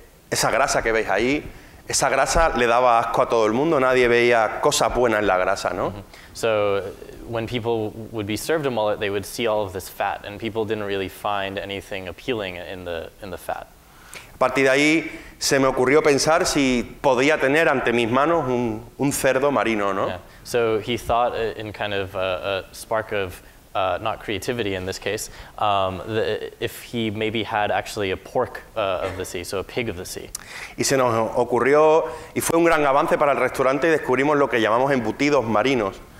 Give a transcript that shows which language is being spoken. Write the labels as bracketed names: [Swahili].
[Spanish] Esa grasa que veis ahí, esa grasa le daba asco a todo el mundo, nadie veía cosas buenas en la grasa, ¿no? Mm-hmm. [English] So, when people would be served a mullet, they would see all of this fat, and people didn't really find anything appealing in the fat. [Spanish] A partir de ahí, se me ocurrió pensar si podía tener ante mis manos un cerdo marino, ¿no? Yeah. [English] So he thought, in kind of a spark of not creativity in this case, if he maybe had actually a pork of the sea, so a pig of the sea. [Spanish] Y se nos ocurrió, y fue un gran avance para el restaurante, y descubrimos lo que llamamos embutidos marinos.